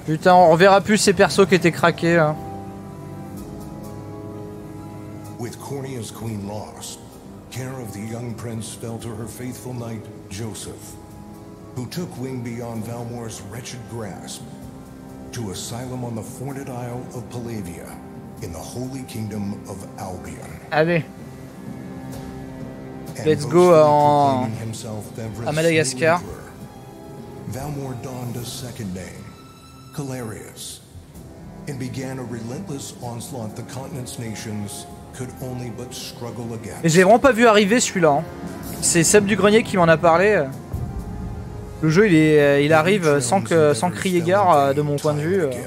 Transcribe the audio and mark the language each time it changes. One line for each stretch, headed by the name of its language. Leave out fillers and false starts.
French: Putain, on reverra plus ces persos qui étaient craqués là.
English: With Cornia's queen lost, care of the young prince fell to her faithful knight Joseph, who took wing beyond Valmore's wretched grasp to asylum on the Forned Isle of Palavia in the holy kingdom of Albion.
French: Allez.
English: Let's go à Madagascar. Valmore donned a second name, Calarius, and began a relentless onslaught the continent's nations could only but struggle against.
French: Et j'ai vraiment pas vu arriver celui-là. C'est Seb du Grenier qui m'en a parlé. Le jeu, il arrive sans crier gare, de mon point de vue.